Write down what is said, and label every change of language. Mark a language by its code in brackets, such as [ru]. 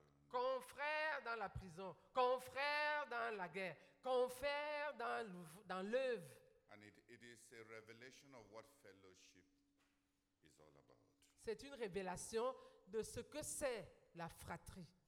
[fr] confrère dans la prison, confrère dans la guerre, confrère dans l'œuvre. [en] And it is a revelation of what fellowship is all about. [fr] C'est une révélation de ce que c'est la fratrie.